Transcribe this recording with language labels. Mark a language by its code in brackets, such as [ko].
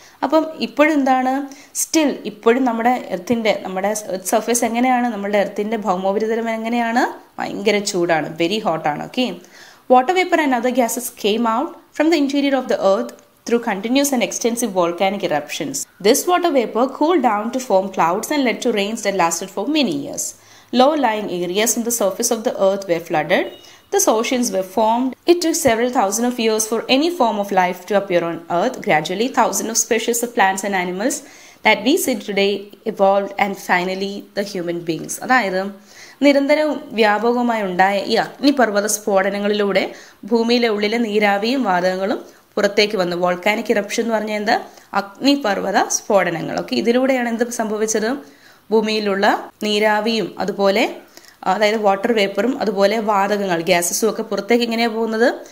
[ml] അപ്പം ഇപ്പോഴെന്താണ്? സ്റ്റിൽ ഇപ്പോഴും നമ്മുടെ എർത്തിൻ്റെ, നമ്മുടെ എർത്ത് സർഫേസ് എങ്ങനെയാണ്, നമ്മുടെ എർത്തിൻ്റെ ഭൗമോപരിതലം എങ്ങനെയാണ്? ഭയങ്കര ചൂടാണ്, very ഹോട്ടാണ്. [en] Okay, water vapour and other gases came out from the interior of the earth through continuous and extensive volcanic eruptions. This water vapour cool down to form clouds and let to rains that lasted for many years. Low lying areas in the surface of the earth were flooded. The oceans were formed. It took several thousands of years for any form of life to appear on earth. Gradually, thousands of species of plants and animals that we see today evolved and finally the human beings. [ml] അതായത് നിരന്തരം വ്യാപകമായി ഉണ്ടായ ഈ അഗ്നിപർവ്വത സ്ഫോടനങ്ങളിലൂടെ ഭൂമിയിലെ ഉള്ളിലെ നീരാവിയും വാതകങ്ങളും പുറത്തേക്ക് വന്നു. വോൾക്കാനിക് ഇറപ്ഷൻ എന്ന് പറഞ്ഞാൽ എന്ത്? അഗ്നിപർവ്വത സ്ഫോടനങ്ങൾ. ഓക്കെ, ഇതിലൂടെയാണ് എന്ത് സംഭവിച്ചത്? ഭൂമിയിലുള്ള നീരാവിയും അതുപോലെ, അതായത് വാട്ടർ വേപ്പറും അതുപോലെ വാതകങ്ങൾ, ഗ്യാസസും ഒക്കെ പുറത്തേക്ക് എങ്ങനെയാണ് പോകുന്നത്?